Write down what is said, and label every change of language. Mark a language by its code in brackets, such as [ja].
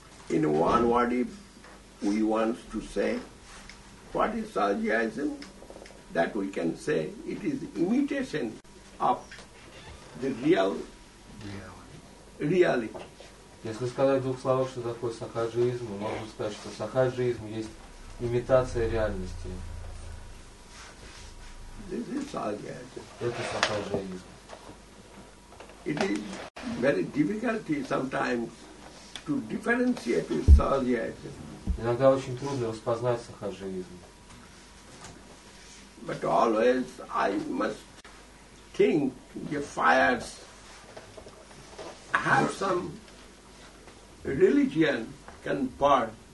[en] In one word, if we want to say what is sahajiyism, that we can say it is imitation of the real. Reality. [ru] Если сказать в двух словах, что такое сахаджаизм, мы можем сказать, что сахаджаизм есть имитация реальности. [en] This is sahajism. [ru] Это сахаджаизм. [en] It is very difficult sometimes to differentiate sahajism. [ru] Иногда очень трудно распознать сахаджаизм. [en] But always I must think the fires have some religion can burn.